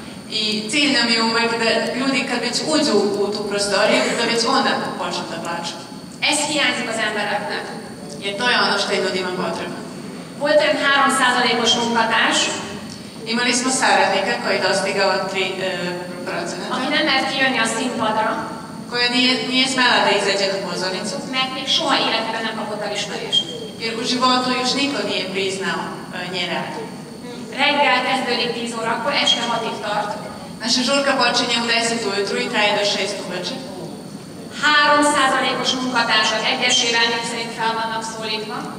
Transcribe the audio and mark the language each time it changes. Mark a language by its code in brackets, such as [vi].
[sr] I cilj nam je uvek da ljudi kad već uđu u tu prostoriju, da već onda počnu da plaču. [hu] Ez hiányzik az embereknek. [sr] Jer to je ono što je ljudima potrebno. [hu] Volt olyan 3%-os munkatárs. [sr] Imali smo saradnika koji dostigao 3%. [hu] Aki nem mert kijönni a színpadra. [sr] Koja nije smela da izađe na pozornicu. [hu] Mert még soha életében nem kapott el ismerést. [sr] Jer u životu još niko nije priznao nje rad. [hu] Reggel kezdődik 10 óra, akkor este 6-ig tart. [sr] Naša žurka počinje u 10 ujutru i traje do 6 uveče. [hu] 3%-os munkatársak egyesével szerint fel vannak szólítva.